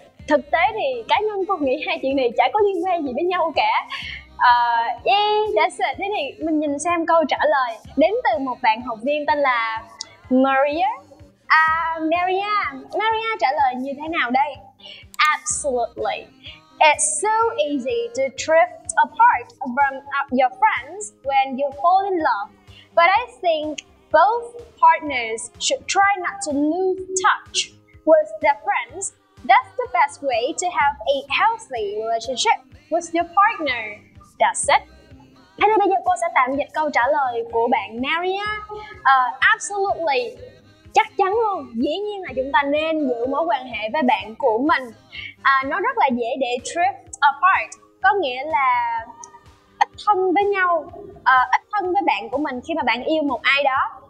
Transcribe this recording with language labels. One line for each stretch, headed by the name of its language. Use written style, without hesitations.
Vietnamese: Thực tế thì cá nhân cô nghĩ hai chuyện này chả có liên quan gì với nhau cả.
English: That's it.
Vietnamese: Thế thì mình nhìn xem câu trả lời đến từ một bạn học viên tên là Maria. Maria trả lời như thế nào đây?
English: Absolutely. It's so easy to drift apart from your friends when you fall in love. But I think both partners should try not to lose touch with their friends. That's the best way to have a healthy relationship with your partner. That's it.
Vietnamese: Thế thì bây giờ cô sẽ tạm dịch câu trả lời của bạn Maria. Absolutely, chắc chắn luôn, dĩ nhiên là chúng ta nên giữ mối quan hệ với bạn của mình. Nó rất là dễ để drift apart, có nghĩa là ít thân với nhau, ít thân với bạn của mình khi mà bạn yêu một ai đó.